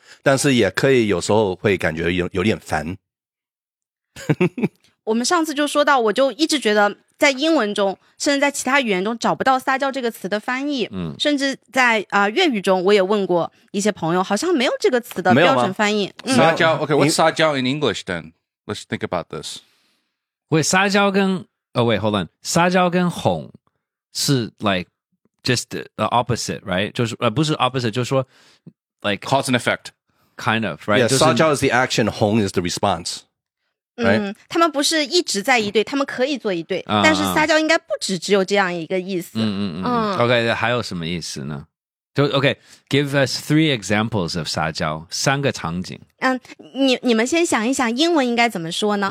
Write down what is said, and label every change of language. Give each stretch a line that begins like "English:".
Chinese: 但是也可以有时候会感觉有点烦。我们上次就说到，我就一直觉得在英文中甚至在其他语言中找不到撒娇这个词的翻译、嗯、甚至在、粤语中我也问过一些朋友好像没有这个词的标准翻译、嗯、
English: 撒娇 OK what's 撒娇 in English then let's think about this wait
Chinese: 撒娇跟
English: oh wait hold on
Chinese: 撒娇跟哄是
English: like just the opposite right
Chinese: 就是、不是
English: opposite
Chinese: 就是说
English: like cause and effect kind of right yeah 撒娇 is the action 哄 is the responseRight?
Chinese: 嗯，他们不是一直在一对，他们可以做一对，但是撒娇应该不止只有这样一个意思。 OK， 还有什么意思呢？就 OK，
English: give us three examples of
Chinese: 撒娇，三个场景。嗯，你们先想一想，英文应该怎么说呢？